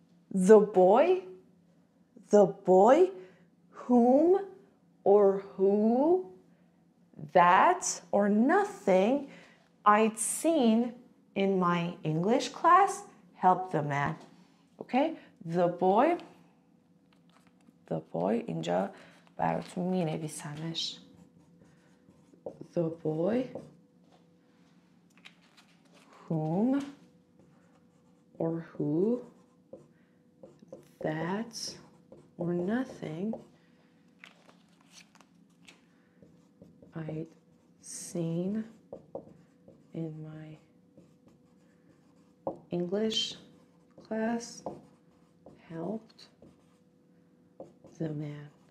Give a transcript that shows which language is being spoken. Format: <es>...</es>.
<en>The boy whom or who, that, or nothing I'd seen in my English class helped the man. Okay? The boy,</en> <fa>اینجا براتون می نویسمش.</fa> <en>The boy whom or who, that, or nothing I'd seen in my English class helped the man.</en>